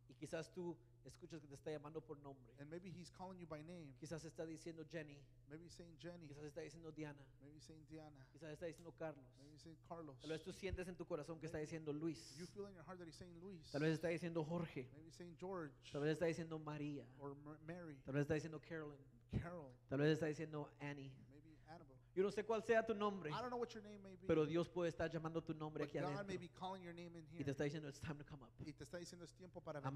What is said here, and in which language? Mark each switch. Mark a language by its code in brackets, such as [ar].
[es] y quizás tú escuchas que te está llamando por nombre, [en] and maybe he's calling you by name, [es] quizás está diciendo Jenny, [en] maybe saying Jenny, [es] quizás está diciendo Diana, [en] maybe saying Diana, [es] quizás está diciendo Carlos, [en] maybe saying Carlos, [es] tal vez tú sientes en tu corazón que está diciendo Luis, [en] you feel in your heart that he's saying Luis, [es] tal vez está diciendo Jorge, [en] maybe saying George, [es] tal vez está diciendo María, [en] or Mary, [es] tal vez está diciendo Carolyn, [en] Carol, [es] tal vez está diciendo Annie. Animal. Yo no sé cuál sea tu nombre, [en] I don't know what your name may be, [es] pero Dios puede estar llamando tu nombre aquí [en] God [es] adentro [en] may be calling your name in here. [es] Y te está diciendo, [en] it's time to come up. [es] Y te está diciendo, es tiempo para venir.